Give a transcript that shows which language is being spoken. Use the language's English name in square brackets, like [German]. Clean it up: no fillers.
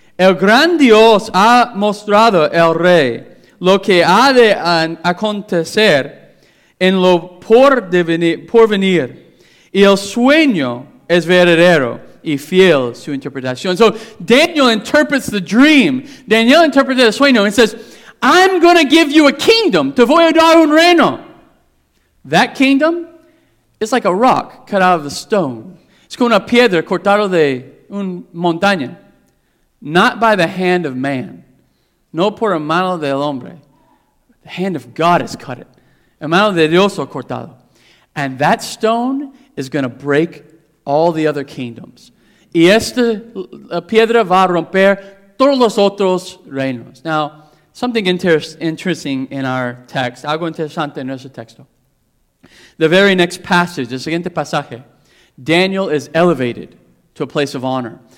[Spanish] El gran Dios ha mostrado al rey lo que ha de acontecer en lo por venir. Y el sueño es verdadero y fiel su interpretación. [English] So Daniel interprets the dream. Daniel interprets [Spanish] el sueño [English] and says, I'm going to give you a kingdom. [Spanish] Te voy a dar un reino. [English] That kingdom is like a rock cut out of the stone. [Spanish] Es como una piedra cortada de una montaña. [English] Not by the hand of man. [Spanish] No por la mano del hombre. [English] The hand of God has cut it. [Spanish] La mano de Dios ha cortado. [English] And that stone is going to break all the other kingdoms. [Spanish] Y esta piedra va a romper todos los otros reinos. [English] Now, something interesting in our text. [Spanish] Algo interesante en nuestro texto. [English] The very next passage, [Spanish] el siguiente pasaje. [English] Daniel is elevated to a place of honor.